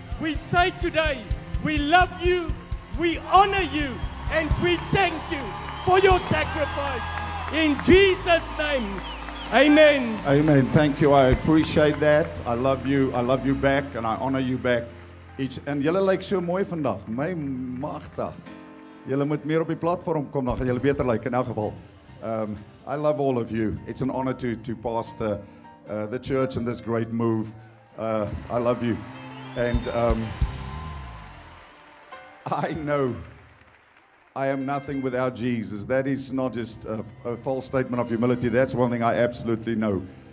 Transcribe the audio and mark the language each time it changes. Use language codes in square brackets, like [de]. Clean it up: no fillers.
[en] We say today, we love you. We honor you and we thank you for your sacrifice. In Jesus' name, amen. Amen. Thank you. I appreciate that. I love you. I love you back and I honor you back. [nl] iets. En jullie lijken zo mooi vandaag. Mijn machtig. Jullie moeten meer op die platform komen. Dan gaan jullie beter lijken in elk geval. [en] I love all of you. It's an honor to pastor the church and this great move. I love you. And I know I am nothing without Jesus. That is not just a false statement of humility. That's one thing I absolutely know.